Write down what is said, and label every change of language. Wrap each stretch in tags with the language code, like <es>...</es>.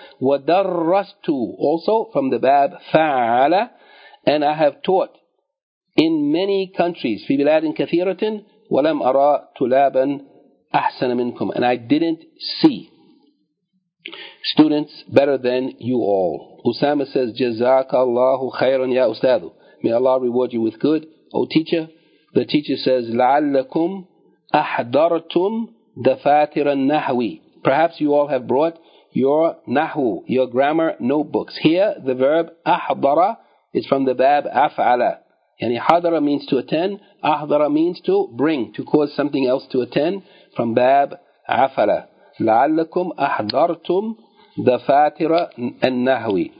<ar>Wa darrastu.</ar> <en>Also from the bab fa'ala. And I have taught in many countries.</en> <ar>Fi biladin kathiratin. وَلَمْ أَرَى تُلَابًا أَحْسَنَ مِنْكُمْ.</ar> <en>And I didn't see students better than you all. Usama says,</en> <ar>جَزَاكَ اللَّهُ خَيْرًا يَا أُسْتَاذُ.</ar> <en>May Allah reward you with good, O teacher. The teacher says,</en> <ar>لَعَلَّكُمْ أَحْضَرْتُمْ دَفَاتِرَ النَّحْوِ.</ar> <en>Perhaps you all have brought your nahu, your grammar notebooks. Here, the verb أَحْضَرَ is from the verb أَفْعَلَ. Yani hadara means to attend, ahdara means to bring, to cause something else to attend, from bab afala.</en> <ar>لَعَلَّكُمْ أَحْضَرْتُمْ دَفَاتِرَ النَّهْوِ.</ar>